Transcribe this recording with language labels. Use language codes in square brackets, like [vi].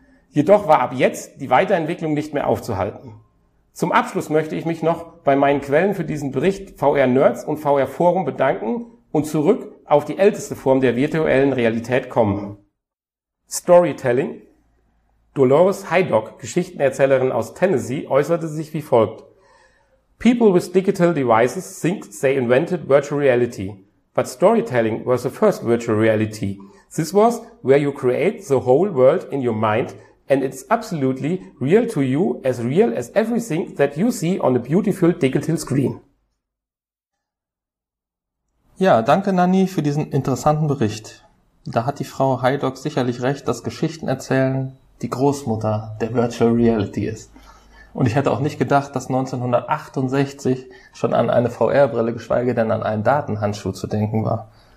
[de] Jedoch war ab jetzt die Weiterentwicklung nicht mehr aufzuhalten. Zum Abschluss möchte ich mich noch bei meinen Quellen für diesen Bericht VR Nerds und VR Forum bedanken und zurück auf die älteste Form der virtuellen Realität kommen. Storytelling. Dolores Heidock, Geschichtenerzählerin aus Tennessee, äußerte sich wie folgt. [en] People with digital devices think they invented virtual reality. But storytelling was the first virtual reality. This was where you create the whole world in your mind and it's absolutely real to you, as real as everything that you see on a beautiful digital screen. [de] Ja, danke Nanni für diesen interessanten Bericht. Da hat die Frau Heidock sicherlich recht, dass Geschichten erzählen die Großmutter der Virtual Reality ist. Und ich hätte auch nicht gedacht, dass 1968 schon an eine VR-Brille, geschweige denn an einen Datenhandschuh zu denken war.